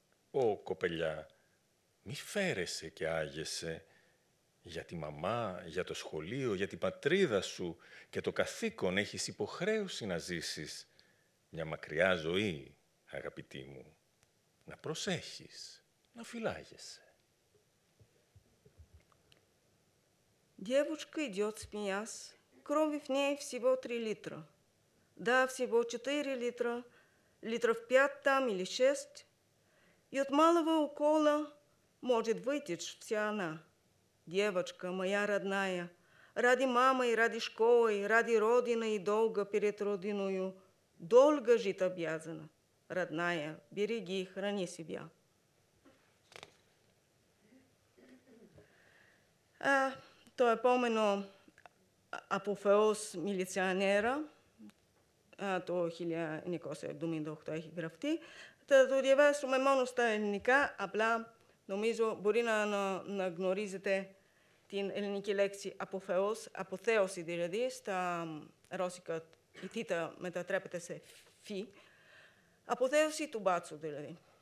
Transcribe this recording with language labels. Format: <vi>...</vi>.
<el>Ω, κοπελιά, μη φέρεσαι και άγεσαι για τη μαμά, για το σχολείο, για την πατρίδα σου και το καθήκον έχεις υποχρέωση να ζήσεις μια μακριά ζωή, αγαπητή μου. Να προσέχεις, να φυλάγεσαι.</el> <ru>Девушка идет, смеясь, крови в ней всего 3 литра. Да, всего 4 литра, литров 5 там или 6. И от малого укола может вытечь вся она. Девочка моя родная, ради мамы и ради школы, ради родины и долга перед родиною, долго жить обязана. Родная, береги, храни себя.</ru> <el>Το επόμενο αποφεώς μιλιτσιανέρα, το 1978 έχει γραφτεί, θα το διαβάσουμε μόνο στα ελληνικά, απλά νομίζω μπορεί να γνωρίζετε την ελληνική λέξη αποφεώς, αποθέωση δηλαδή, στα ρώσικα η θήτα μετατρέπεται σε φι, αποθέωση του μπάτσου δηλαδή.</el>